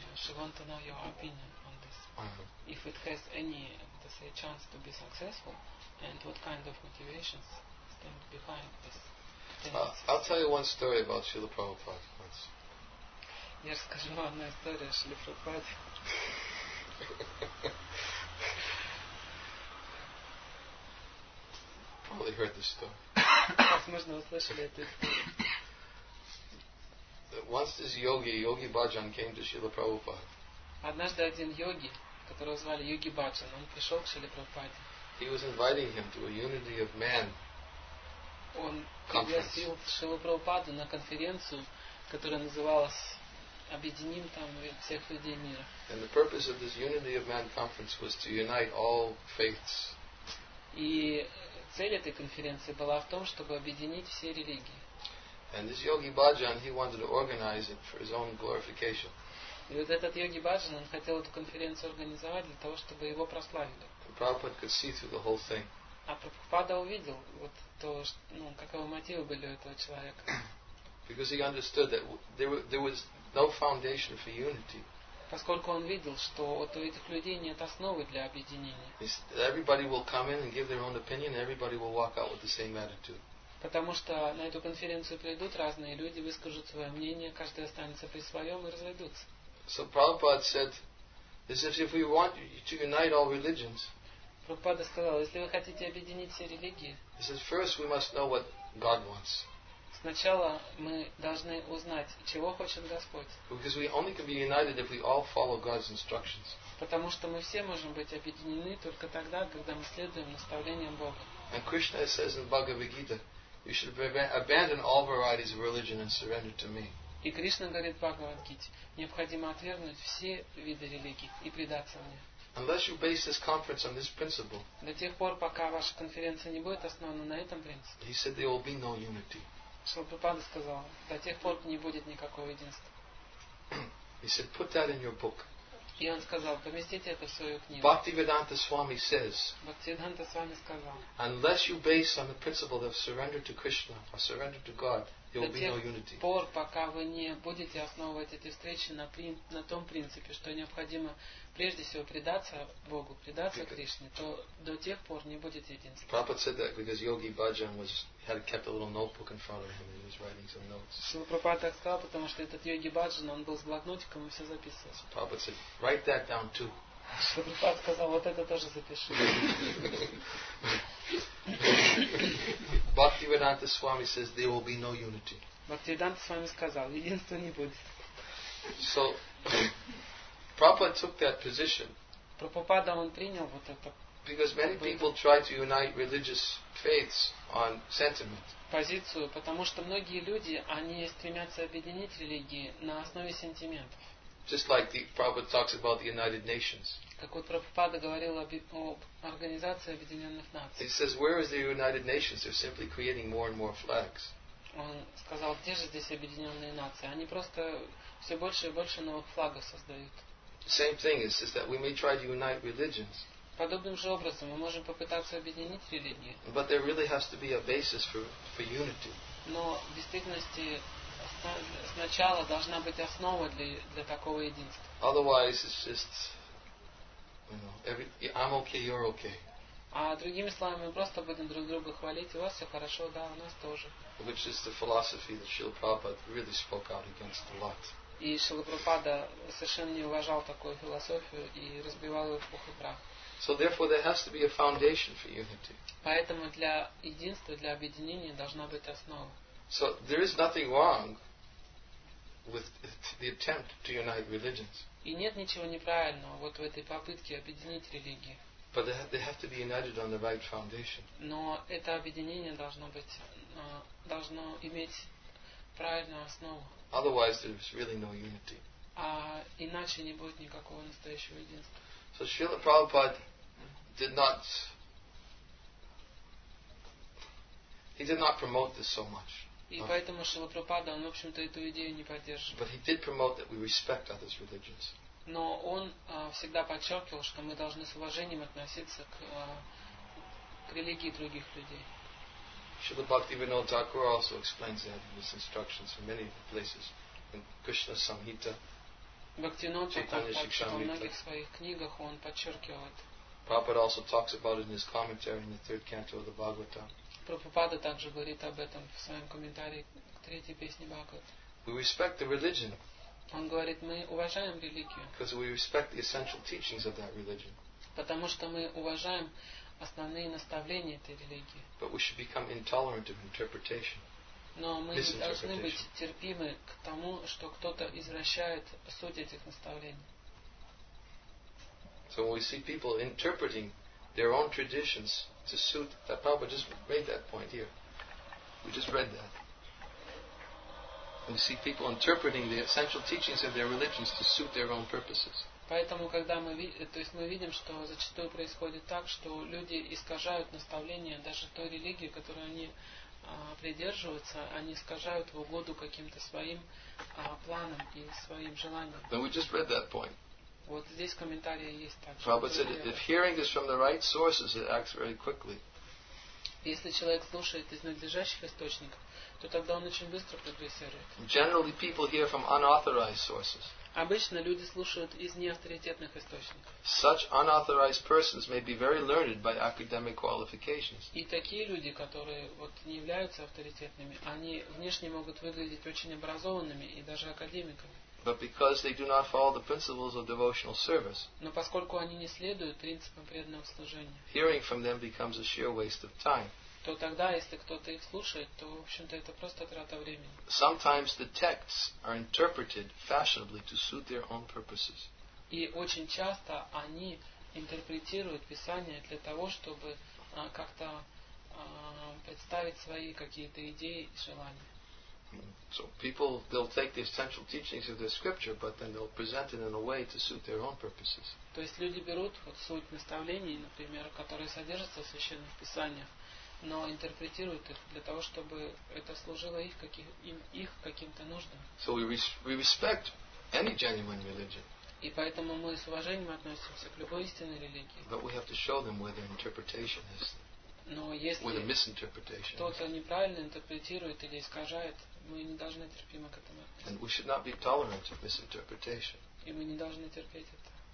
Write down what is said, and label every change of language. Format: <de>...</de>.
<en>She wants to know your opinion on this. Uh-huh. If it has any, to say, chance to be successful, and what kind of motivations stand behind this? I'll tell you one story about Srila Prabhupada once.</en> <ru>Я расскажу вам одну историю о Шиле Прабхупаде.</ru> <en>Probably heard this story.</en> <ru>Возможно, вы слышали эту историю.</ru> <en>Once this yogi Bhajan came to Srila Prabhupada.</en> <ru>Однажды один йоги, которого звали Йоги Баджан, он пришел к Шиле Прабхупаде.</ru> <en>He was inviting him to a unity of man.</en> <ru>Он пригласил Шилу Прабхупаду на конференцию, которая называлась «Объединим там всех людей мира».</ru> <en>And the purpose of this unity of man conference was to unite all faiths.</en> <ru>И цель этой конференции была в том, чтобы объединить все религии.</ru> <en>And this yogi Bhajan, he wanted to organize it for his own glorification.</en> <ru>И вот этот йоги Баджан, он хотел эту конференцию организовать для того, чтобы его прославили.</ru> <en>And Prabhupada could see through the whole thing.</en> <ru>А Прабхупада увидел вот то, ну, каковы мотивы были у этого человека.</ru> <en>Because he understood that there was no foundation for unity.</en> <ru>Поскольку он видел, что вот у этих людей нет основы для объединения.</ru> <en>Everybody will come in and give their own opinion, and everybody will walk out with the same attitude.</en> <ru>Потому что на эту конференцию придут разные люди, выскажут свое мнение, каждый останется при своем и разойдутся.</ru> <en>So Prabhupada said, this is if we want to unite all religions.</en> <ru>Прабхупада сказал, если вы хотите объединить все религии.</ru> <en>He said, first we must know what God wants.</en> <ru>Сначала мы должны узнать, чего хочет Господь.</ru> <en>Because we only can be united if we all follow God's instructions.</en> <ru>Потому что мы все можем быть объединены только тогда, когда мы следуем наставлениям Бога.</ru> <en>And Krishna says in Bhagavad Gita, you should abandon all varieties of religion and surrender to me.</en> <ru>И Кришна говорит в Бхагавад Гите, необходимо отвергнуть все виды религий и предаться мне.</ru> <en>Unless you base this conference on this principle.</en> <ru>До тех пор, пока ваша конференция не будет основана на этом принципе.</ru> <en>He said there will be no unity.</en> <ru>Шрила Прабхупада сказал, до тех пор не будет никакого единства.</ru> <en>He said, put that in your book.</en> <ru>И он сказал, поместите это в свою книгу.</ru> <en>Бхактивиданта Свами says.</en> <ru>Бхактивиданта Свами сказал.</ru> <en>Unless you base on the principle of surrender to Krishna or surrender to God, there will be no unity.</en> <ru>До тех пор, пока вы не будете основывать эти встречи на том принципе, что необходимо прежде всего предаться Богу, предаться Кришне, то до тех пор не будет единства.</ru> <en>Prabhupada said that because Yogi Bhajan had kept a little notebook in front of him and he was writing some notes.</en> <ru>Шрила Прабхупада так сказал, потому что этот Йоги Баджан, он был с блокнотиком и все записывал.</ru> <en>So Prabhupada said, write that down too.</en> <ru>Шрила Прабхупада сказал, вот это тоже запиши.</ru> <en>Bhaktivedanta Swami says there will be no unity.</en> <ru>Bhaktivedanta Swami сказал, единства не будет.</ru> <en>So Prabhupada took that position.</en> <ru>Прабхупада он принял вот это.</ru> <en>Because many people try to unite religious faiths on sentiment.</en> <ru>Позицию, потому что многие люди, они стремятся объединить религии на основе сентиментов.</ru> <en>Just like the Prabhupada talks about the United Nations.</en> <ru>Как вот Прабхупада говорил об Организации Объединенных Наций.</ru> <en>He says, where is the United Nations? They're simply creating more and more flags.</en> <ru>Он сказал, где же здесь Объединенные Нации? Они просто все больше и больше новых флагов создают.</ru> <en>Same thing is that we may try to unite religions.</en> <ru>Подобным же образом мы можем попытаться объединить религии.</ru> <en>But there really has to be a basis for unity.</en> <ru>Но в действительности сначала должна быть основа для такого единства.</ru> <en>Otherwise it's just, you know, I'm okay, you're okay.</en> <ru>А другими словами, мы просто будем друг друга хвалить, у вас все хорошо, да, у нас тоже.</ru> <en>Which is the philosophy that Srila Prabhupada really spoke out against a lot.</en> <ru>И Шрила Прабхупада совершенно не уважал такую философию и разбивал ее в пух и прах.</ru> <en>So therefore there has to be a foundation for unity.</en> <ru>Поэтому для единства, для объединения должна быть основа.</ru> <en>So there is nothing wrong with the attempt to unite religions.</en> <ru>И нет ничего неправильного вот в этой попытке объединить религии.</ru> <en>But they have to be united on the right foundation.</en> <ru>Но это объединение должно быть, должно иметь правильную основу.</ru> <en>Otherwise, there's really no unity.</en> <ru>А иначе не будет никакого настоящего единства.</ru> <en>So Srila Prabhupada did not promote this so much.</en> <ru>И поэтому Шрила Прабхупада, он, в общем-то, эту идею не поддерживал.</ru> <en>But he did promote that we respect others' religions.</en> <ru>Но он всегда подчеркивал, что мы должны с уважением относиться к религии других людей.</ru> <en>Śrīla Bhaktivinoda Thakura also explains that in his instructions in many places in Krishna Samhita. Prabhupada also talks about it in his commentary in the third canto of the Bhagavatam.</en> <ru>Prabhupada также говорит об этом в своем комментарии к третьей песне Бхагаватам.</ru> <en>We respect the religion.</en> <ru>Он говорит, мы уважаем религию.</ru> <en>Because we respect the essential teachings of that religion.</en> <ru>Потому что мы уважаем основные наставления этой религии.</ru> <en>But we should become intolerant of interpretation.</en> <ru>Но мы не должны быть терпимы к тому, что кто-то извращает суть этих наставлений.</ru> <en>So we see people interpreting their own traditions to suit that. Prabhupada just made that point here. We just read that. We see people interpreting the essential teachings of their religions to suit their own purposes.</en> <ru>Поэтому, когда мы то есть мы видим, что зачастую происходит так, что люди искажают наставления даже той религии, которую они придерживаются, они искажают в угоду каким-то своим планам и своим желаниям.</ru> <en>Then we just read that point.</en> <ru>Вот здесь комментарии есть так.</ru> <en>Prabhupada said, if hearing is from the right sources, it acts very quickly.</en> <ru>Если человек слушает из надлежащих источников, то тогда он очень быстро прогрессирует.</ru> <en>Generally, people hear from unauthorized sources.</en> <ru>Обычно люди слушают из неавторитетных источников.</ru> <en>Such unauthorized persons may be very learned by academic qualifications.</en> <ru>И такие люди, которые вот не являются авторитетными, они внешне могут выглядеть очень образованными и даже академиками.</ru> <en>But because they do not follow the principles of devotional service.</en> <ru>Но поскольку они не следуют принципам преданного служения.</ru> <en>Hearing from them becomes a sheer waste of time.</en> <ru>То тогда, если кто-то их слушает, то в общем-то это просто трата времени.</ru> <en>Sometimes the texts are interpreted fashionably to suit their own purposes.</en> <ru>И очень часто они интерпретируют Писание для того, чтобы как-то представить свои какие-то идеи и желания.</ru> <en>So people, they'll take the essential teachings of the scripture, but then they'll present it in a way to suit their own purposes.</en> <ru>То есть люди берут вот суть наставлений, например, которые содержатся в священных писаниях, но интерпретируют их для того, чтобы это служило их их каким-то нуждам.</ru> <en>So we respect any genuine religion.</en> <ru>И поэтому мы с уважением относимся к любой истинной религии.</ru> <en>But we have to show them where their interpretation is.</en> <ru>Но если кто-то неправильно интерпретирует или искажает, мы не должны терпимо к этому относиться.</ru> <en>And we should not be tolerant of misinterpretation.</en> <ru>И мы не должны терпеть это.</ru>